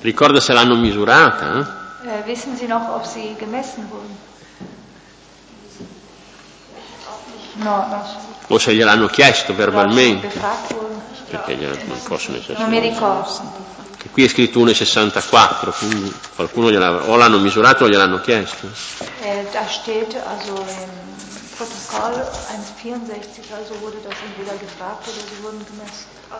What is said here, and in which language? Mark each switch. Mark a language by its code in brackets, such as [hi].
[it] Ricorda se l'hanno misurata? Eh? [de] Wissen Sie noch, ob Sie gemessen wurden? [it] No, o se gliel'hanno chiesto verbalmente? Perché non possono essere. Non mi ricordo. Che qui è scritto 1,64, quindi qualcuno o l'hanno misurato o gliel'hanno chiesto. [de] Da steht also im Protokoll 1,64, also wurde das entweder gefragt oder sie wurden gemessen.